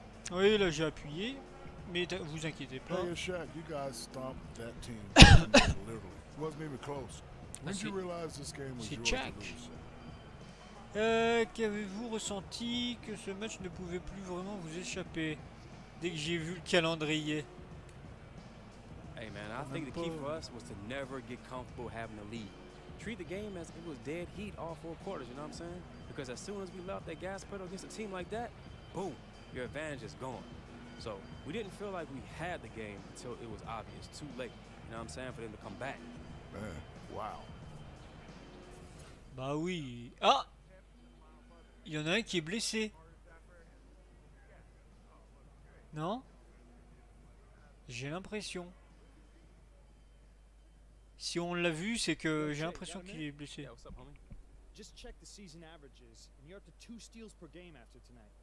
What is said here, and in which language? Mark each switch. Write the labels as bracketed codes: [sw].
[fr] Oui, là j'ai appuyé, mais vous inquiétez pas. [en] Hey, Shaq, you guys stomped that team. Literally. It wasn't even close. When did you realize this game was yours to lose? [fr] Qu'avez-vous ressenti que ce match ne pouvait plus vraiment vous échapper dès que j'ai vu le calendrier? [en] Hey man, I think the key for us was to never get comfortable having a lead. Treat the game as it was dead heat all four quarters, you know what I'm saying? Because as soon as we left that gas pedal against a team like that, boom, your advantage is gone. So we didn't feel like we had the game until it was obvious, too late, you know what I'm saying, for them to come back. Man. Wow. [fr] Bah oui. Ah! Il y en a un qui est blessé. Non? J'ai l'impression. Si on l'a vu, c'est que j'ai l'impression qu'il est blessé. [en] Just check the season averages, and you're up to 2 steals per game after tonight.